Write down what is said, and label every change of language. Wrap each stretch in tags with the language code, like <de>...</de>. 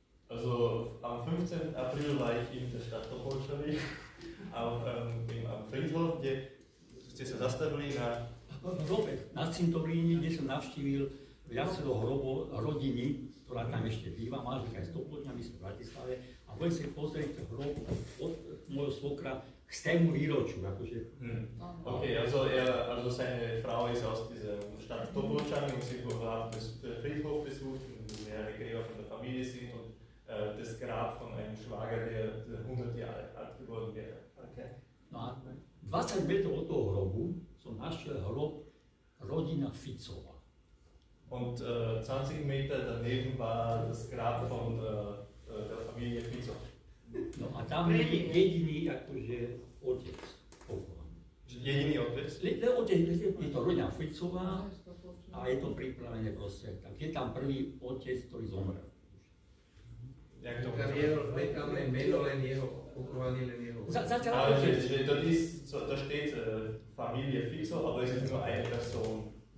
<de>Also, am 15. apríl war ich in der Stadt Topolčanoch, am Friedhof,</de> <sk>kde ste sa zastavili na... Hrobe, na cintoríne, kde som navštívil viacero hrobov rodiny, ktorá tam ešte býva, manželka je z Topolčan, my sme v Bratislave, a budem si pozrieť hrob od môjho svokra k stému výročiu, akože.</sk> <de>Also seine Frau ist aus dieser Stadt Topolčan, und sie hat das Friedhof besucht, mehrere Gräber von der Familie sind und das Grab von einem Schwager, der 100 Jahre alt geworden wäre.</de> <sk>No a 20 metrov od toho hrobu som našiel hrob rodina Ficova.</sk> <de>Und 20 Meter daneben war das Grab von der Familie Fico.</de> <sk>No a tam je jediný akože otec pochovaný. Jediný otec? Je to rodina Ficová a je to pripravené proste. Tak je tam prvý otec, ktorý zomrel. Jak to povedal? Meno len jeho, pochovaný len jeho.</sk> <de>To steht Familie Fico, aber es ist nur eine Person.</de>